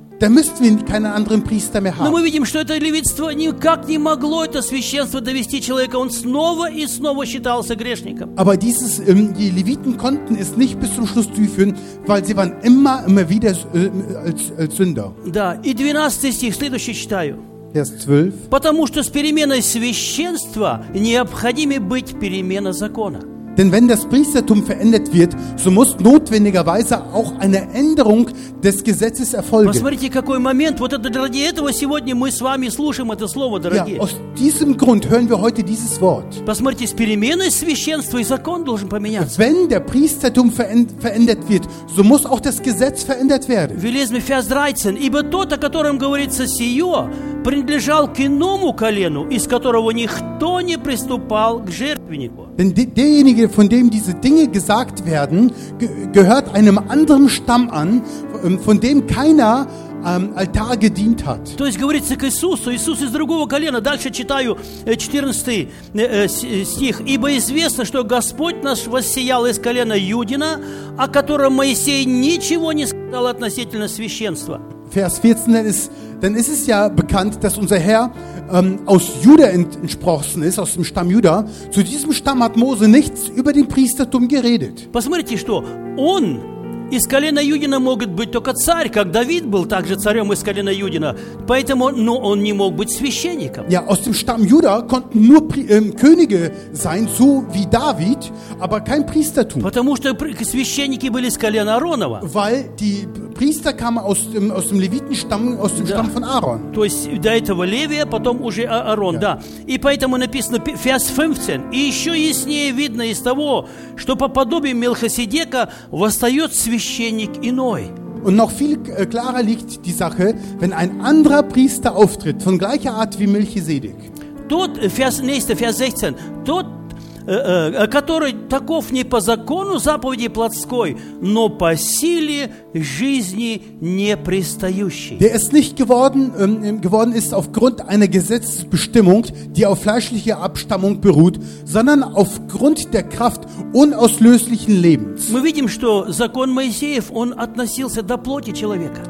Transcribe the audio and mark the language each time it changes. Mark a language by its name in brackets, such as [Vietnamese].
[German] Da müssten wir keinen anderen Priester mehr haben. [Russian] Но мы видим, что это левитство никак не могло это священство довести человека. Он снова и снова считался грешником. [German] Aber dieses, die Leviten konnten es nicht bis zum Schluss durchführen, weil sie waren immer wieder als Sünder. [Russian] Да, и 12 стих, следующий читаю. [German] Vers 12. [Russian] Потому что с переменой священства необходимо быть перемена закона. [German] Denn wenn das Priestertum verändert wird, so muss notwendigerweise auch eine Änderung des Gesetzes erfolgen. [Russian] Посмотрите, какой момент. Вот это, ради этого сегодня мы с вами слушаем это слово, дорогие. [German] Ja, aus diesem Grund hören wir heute dieses Wort. [Russian] Посмотрите, с переменой священства и закон должен поменяться. [German] Wenn der Priestertum verändert wird, so muss auch das Gesetz verändert werden. Wir lesen Vers 13. [Russian] Ибо тот, о котором говорится сие, принадлежал к иному колену, из которого никто не приступал к жертвеннику. [German] Denn derjenige, von dem diese Dinge gesagt werden, gehört einem anderen Stamm an, von dem keiner Altar gedient hat. [Russian] То есть говорится к Иисусу, Иисус из другого колена. Дальше читаю 14 стих. Ибо известно, что Господь наш воссиял из колена Юдина, о котором Моисей ничего не сказал относительно священства. [German] Vers 14 ist, denn es ist ja bekannt, dass unser Herr aus Juda entsprossen ist, aus dem Stamm Juda. Zu diesem Stamm hat Mose nichts über den Priestertum geredet. [Russian] Посмотрите, что он из колена Юдина мог быть только царь, как Давид был также царем из колена Юдина. Поэтому, но он не мог быть священником. [German] Ja, aus dem Stamm Juda konnten nur Könige sein, so wie David, aber kein Priestertum. [Russian] Потому что священники были из колена Ааронова. [German] Weil die Priester kamen aus dem Levitenstamm, aus dem Stamm von Aaron. [Russian] То есть до этого Левия, потом уже Аарон, да. И поэтому написано [German] Vers 15. [Russian] И еще яснее видно из того, что по подобию Мелхиседека восстает священник иной. [German] Und noch viel klarer liegt die Sache, wenn ein anderer Priester auftritt, von gleicher Art wie Melchisedek. [Russian] Тот, [German] Vers 16, [Russian] тот, который таков не по закону заповеди плотской, но по силе жизни непрестающей. [German] Der ist nicht geworden ist aufgrund einer Gesetzesbestimmung, die auf fleischlicher Abstammung beruht, sondern aufgrund der Kraft unauslöslichen Lebens. [Russian] Мы видим, что закон Моисеев, он относился до плоти человека.